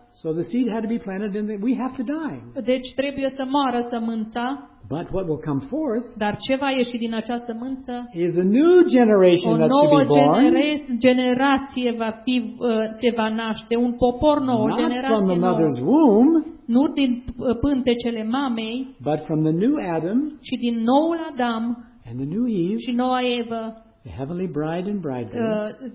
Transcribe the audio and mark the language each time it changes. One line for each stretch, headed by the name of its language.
English: so the seed had to be planted and we have to die.
Romanian: Deci trebuie să moară sămânța.
English: But what will come forth?
Romanian: Dar ce va ieși din această sămânță?
English: Is a new generation that should be born.
Romanian: O nouă generație va fi, se va naște un popor nou, o generație nouă.
English: Not from the mother's womb.
Romanian: Nu din pântecele mamei.
English: But from the new Adam.
Romanian: Și din noul Adam.
English: And the new Eve.
Romanian: Și noua Evă.
English: The heavenly bride and bridegroom.